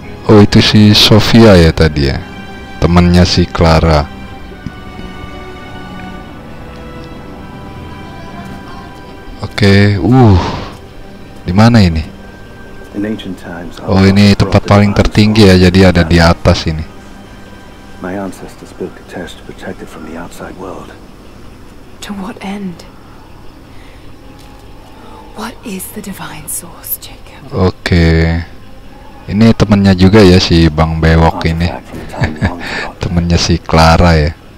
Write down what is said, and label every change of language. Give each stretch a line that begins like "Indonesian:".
Indonesian: Oh, itu si Sofia ya tadi ya, temennya si Clara. Oke, di mana ini? Oh, ini tempat paling tertinggi ya, jadi ada di atas ini.
English: My ancestors built a test to protect it from the outside world. To what end? What is the divine source, Jacob?
Indonesian: Oke. Ini temannya juga ya si Bang Bewok ini. Temannya si Clara ya.